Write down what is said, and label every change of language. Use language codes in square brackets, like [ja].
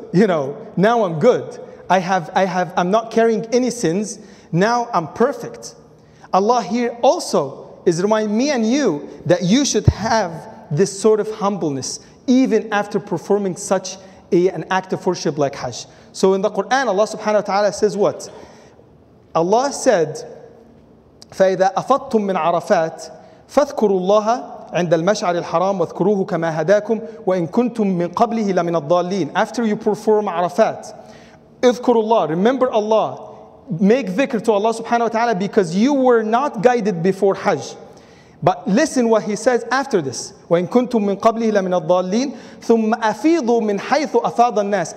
[en] You know, now I'm good. I'm not carrying any sins. Now I'm perfect. Allah here also is reminding me and you that you should have this sort of humbleness even after performing such an act of worship like Hajj. So in the Quran, Allah subhanahu wa ta'ala says what? Allah said, [ar] فَإِذَا أَفَضْتُم مِّنْ عَرَفَاتٍ فَاذْكُرُوا اللَّهَ عِنْدَ الْمَشْعَرِ الْحَرَامِ وَاذْكُرُوهُ كَمَا هَدَاكُمْ وَإِنْ كُنْتُم مِّنْ قَبْلِهِ لَمِنَ الضَّالِّينَ. [en] After you perform Arafat, [ar] اذْكُرُوا اللَّهَ, [en] remember Allah, make dhikr to Allah subhanahu wa ta'ala because you were not guided before Hajj. But listen what he says after this. [ar] وَإِنْ كُنْتُم مِّنْ قَبْلِهِ لَمِنَ الضَّالِّينَ ثُمَّ أَفِيضُوا مِنْ حَيْثُ أَفَاضَ النَّاسِ.